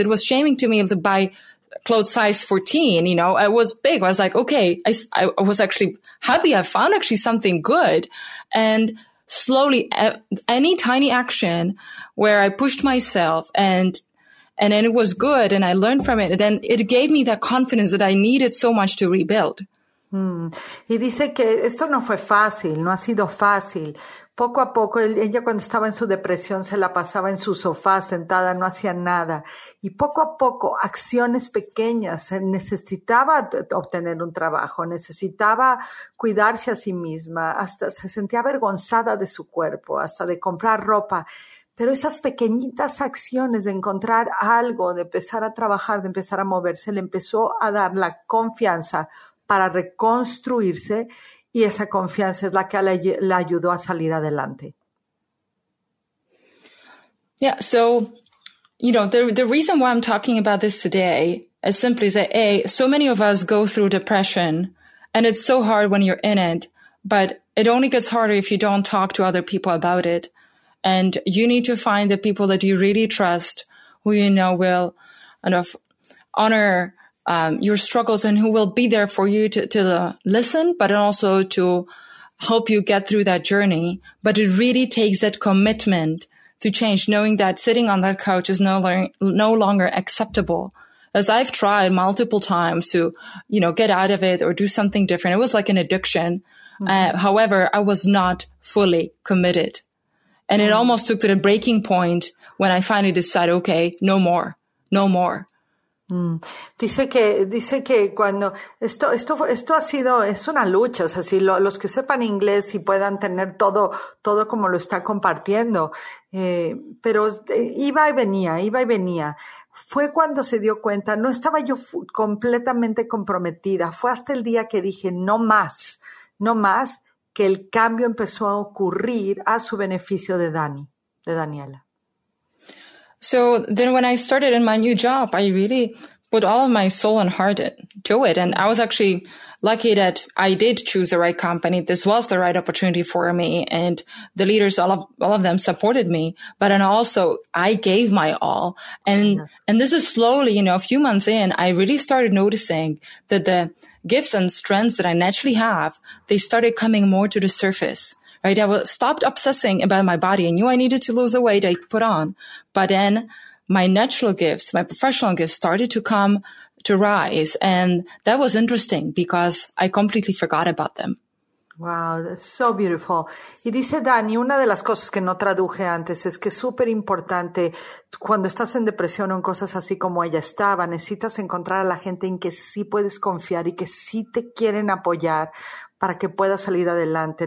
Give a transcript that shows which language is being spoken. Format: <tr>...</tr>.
<en>It was shaming to me to buy clothes size 14, you know, I was big. I was like, okay, I was actually happy. I found actually something good. And slowly any tiny action where I pushed myself and then it was good and I learned from it. And then it gave me that confidence that I needed so much to rebuild.</en> <es>Y dice que esto no fue fácil, no ha sido fácil. Poco a poco, ella cuando estaba en su depresión se la pasaba en su sofá sentada, no hacía nada. Y poco a poco, acciones pequeñas, necesitaba obtener un trabajo, necesitaba cuidarse a sí misma, hasta se sentía avergonzada de su cuerpo, hasta de comprar ropa. Pero esas pequeñitas acciones de encontrar algo, de empezar a trabajar, de empezar a moverse, le empezó a dar la confianza para reconstruirse. Y esa confianza es la que la ayudó a salir adelante.</es> <en>Yeah, so, you know, the reason why I'm talking about this today is simply that, A, so many of us go through depression, and it's so hard when you're in it, but it only gets harder if you don't talk to other people about it. And you need to find the people that you really trust, who you know will kind of honor your struggles and who will be there for you to listen, but also to help you get through that journey. But it really takes that commitment to change, knowing that sitting on that couch is no longer acceptable. As I've tried multiple times to, you know, get out of it or do something different. It was like an addiction. Mm-hmm. However, I was not fully committed. And it almost took to the breaking point when I finally decided, okay, no more, no more.</en> <es>Dice que cuando esto ha sido, es una lucha, o sea, si los que sepan inglés y puedan tener todo como lo está compartiendo, pero iba y venía. Fue cuando se dio cuenta, no estaba yo completamente comprometida, fue hasta el día que dije no más, que el cambio empezó a ocurrir a su beneficio de Daniela.</es> <en>So then when I started in my new job, I really put all of my soul and heart to it. And I was actually lucky that I did choose the right company. This was the right opportunity for me. And the leaders, all of them supported me. But and also I gave my all. And this is slowly, you know, a few months in, I really started noticing that the gifts and strengths that I naturally have, they started coming more to the surface. Right. I stopped obsessing about my body. I knew I needed to lose the weight I put on. But then my natural gifts, my professional gifts started to come to rise. And that was interesting because I completely forgot about them. Wow, that's so beautiful.</en> <es>Y dice Dani, una de las cosas que no traduje antes es que es súper importante cuando estás en depresión o en cosas así como ella estaba, necesitas encontrar a la gente en que sí puedes confiar y que sí te quieren apoyar para que pueda salir adelante.</es>